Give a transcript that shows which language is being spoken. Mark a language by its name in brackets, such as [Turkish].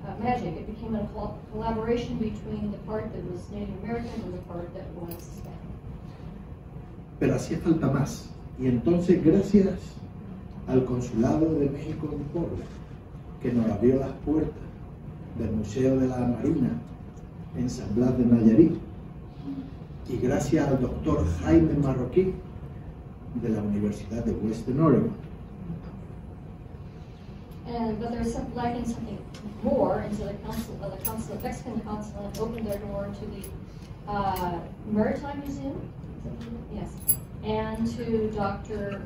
[English] It became a collaboration between the part that was Native American and the part that was Hispanic. [Spanish] Pero hacía falta más. Y entonces, gracias al Consulado de México en Puebla, que nos abrió las puertas del Museo de la Marina en San Blas de Nayarit, y gracias al doctor Jaime Marroquín de la Universidad de Western Oregon. [English] But there was some lacking something more, and so the Mexican consulate opened their door to the Maritime Museum, yes, and to Dr.